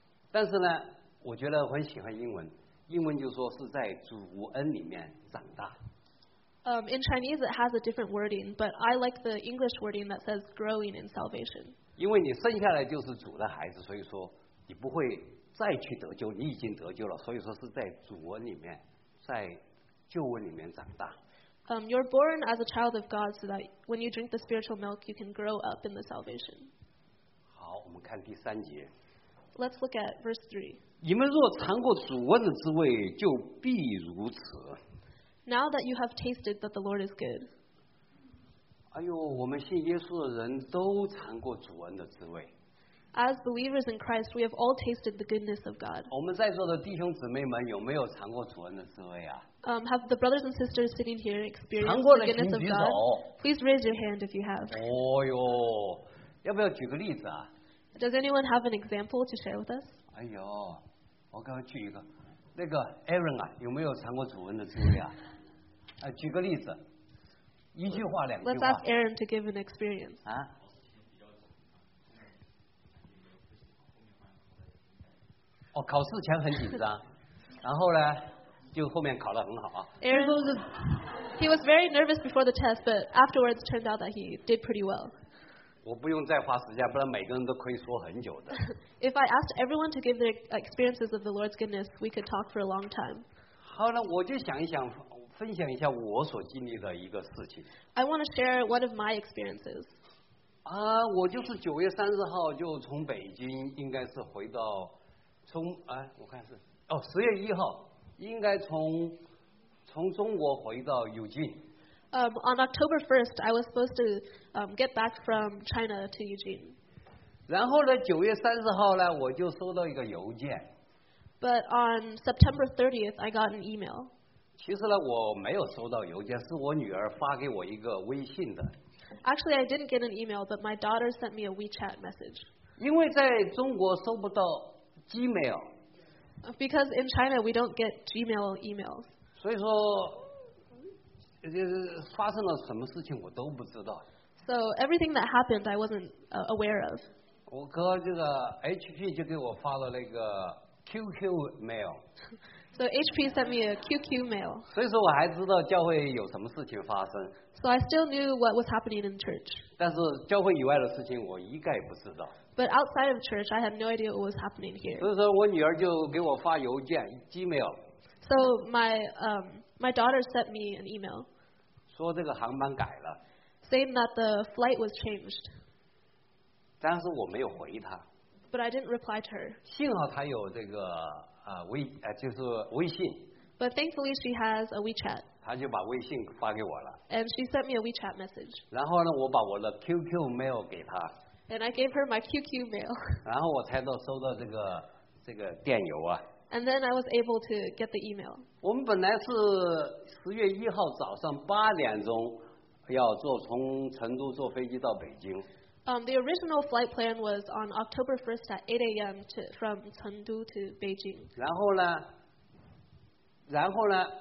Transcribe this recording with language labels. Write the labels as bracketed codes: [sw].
[zh] 但是呢，我觉得我很喜欢英文，英文就说是在主恩里面长大。 [en] In Chinese, it has a different wording, but I like the English wording that says growing in salvation. [zh] 因为你生下来就是主的孩子，所以说你不会再去得救，你已经得救了，所以说是在主恩里面，在救恩里面长大。 [en] You're born as a child of God, so that when you drink the spiritual milk, you can grow up in the salvation. [zh] 好，我们看第三节。 [en] Let's look at verse 3. [zh] 你们若尝过主恩的滋味，就必如此。 [en] Now that you have tasted that the Lord is good. [zh] 哎呦，我们信耶稣的人都尝过主恩的滋味。 [en] As believers in Christ, we have all tasted the goodness of God. [zh] 我们在座的弟兄姊妹们有没有尝过主恩的滋味啊？ [en] Have the brothers and sisters sitting here experienced the goodness of God? Please raise your hand if you have. [zh] 哎呦，要不要举个例子啊？ [en] Does anyone have an example to share with us? [zh] 哎呦，我刚刚举一个。那个 Aaron 啊，有没有尝过主恩的滋味啊？举个例子，一句话两句话。 [en] Let's ask Aaron to give an experience. 啊？ [zh] 哦，考试前很紧张，然后呢，就后面考得很好啊。 [en] Aaron was he was very nervous before the test, but afterwards turned out that he did pretty well. [zh] 我不用再花时间，不然每个人都可以说很久的。 [en] If I asked everyone to give their experiences of the Lord's goodness, we could talk for a long time. [zh] 好了，我就想一想，分享一下我所经历的一个事情。 [en] I want to share one of my experiences. [zh] 啊，我就是9月30号就从北京，应该是回到从哎，我看是哦，10月1号，应该从中国回到有进。 [en] On October 1st, I was supposed to get back from China to Eugene. [zh] 然后呢，九月三十号呢，我就收到一个邮件。 [en] But on September 30th, I got an email. [zh] 其实呢，我没有收到邮件，是我女儿发给我一个微信的。 [en] Actually, I didn't get an email, but my daughter sent me a WeChat message. [zh] 因为在中国收不到 Gmail. [en] Because in China, we don't get Gmail emails. [zh] 所以说。发生了什么事情我都不知道。 [en] So everything that happened, I wasn't aware of. [zh] 我哥这个 HP 就给我发了那个 QQ mail. [en] So HP sent me a QQ mail. [zh] 所以说我还知道教会有什么事情发生。 [en] So I still knew what was happening in church. [zh] 但是教会以外的事情我一概不知道。 [en] But outside of church, I had no idea what was happening here. [zh] 所以说我女儿就给我发邮件 ,Gmail. [en] So my daughter sent me an email. [zh] 说这个航班改了。 [en] Saying that the flight was changed. [zh] 但是我没有回他。 [en] But I didn't reply to her. [zh] 幸好他有这个就是微信。 [en] But thankfully she has a WeChat. [zh] 他就把微信发给我了。 [en] And she sent me a WeChat message. [zh] 然后呢，我把我的 QQ mail 给他。 [en] And I gave her my QQ mail. [zh] 然后我才到收到这个电邮啊。 [en] And then I was able to get the email. [zh] 我们本来是十月一号早上八点钟。要坐从成都坐飞机到北京。 [en] The original flight plan was on October 1st at 8 a.m. from 成都 to Beijing. [zh] 然后呢？